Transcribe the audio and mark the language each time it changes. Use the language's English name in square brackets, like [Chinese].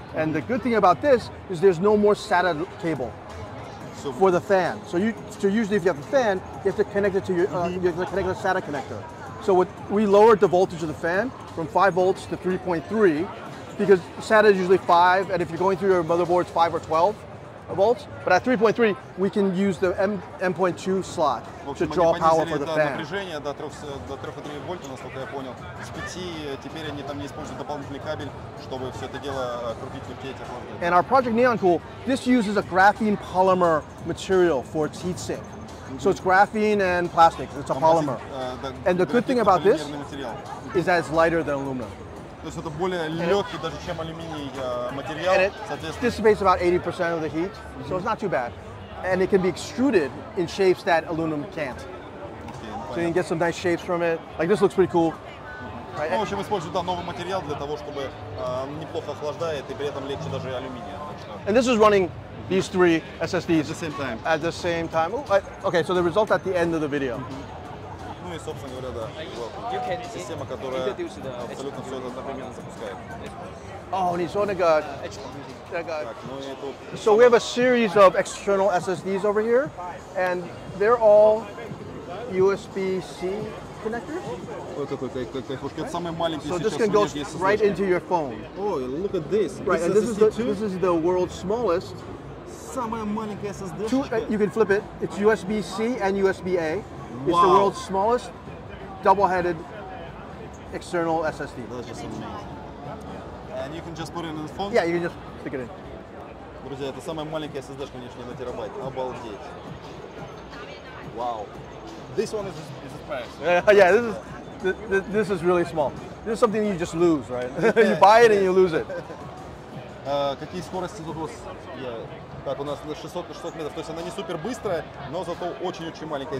[English] And the good thing about this is there's no more SATA cable. So for the fan, so usually if you have a fan, you have to connect it to your you have to connect a SATA connector. So what we lowered the voltage of the fan from 5 volts to 3.3 because SATA is usually 5, and if you're going through your motherboard, it's 5 or 12 volts. But at 3.3, we can use the M.2 slot to draw power for the fan. [Russian] Напряжение до 3,3 вольта, насколько я понял, с 5 теперь они там не используют дополнительный кабель, чтобы все это дело крутить в эти фанки. [English] And our Project Neon Cool, this uses a graphene polymer material for its heat sink. So it's graphene and plastic, it's a polymer. And the good thing about this is that it's lighter than aluminum. [Russian] То есть это более легкий даже, чем алюминий материал, соответственно. [English] Dissipates about 80% of the heat, so it's not too bad. And it can be extruded in shapes that aluminum can't. Okay, so you can get some nice shapes from it. Like this looks pretty cool. Mm-hmm. Right? [Russian] Ну, в общем, используют новый материал для того, чтобы неплохо охлаждает и при этом легче даже алюминия. [English] And this is running these three SSDs. At the same time. At the same time. Ooh, okay, so the result at the end of the video. Mm-hmm. [Russian] Ну и, собственно говоря, да, система, которая абсолютно все это одновременно запускает. [English] Oh, and it's on a god. [Russian] Так, ну, [English] so we have a series of external SSDs over here, and they're all USB-C connectors. [Russian] Ой, какой хушкет, самый маленький. [English] So this can go right into your phone. Oh, look at this. Right, and this is the world's smallest. [Russian] Самая маленькая SSD. [English] You can flip it. It's USB-C and USB-A. It's the world's smallest double-headed external SSD. That's just amazing. And you can just put it in the phone? Yeah, you can just stick it in. [Russian] Друзья, это самая маленькая SSD, что у меня еще на терабайт. Обалдеть. [English] Wow. This one is fast. Yeah, this is really small. This is something you just lose, right? You buy it and you lose it. [Russian] Какие скорости тут у вас? Так, у нас 600 метров, то есть она не супер быстрая, но зато очень-очень маленькая.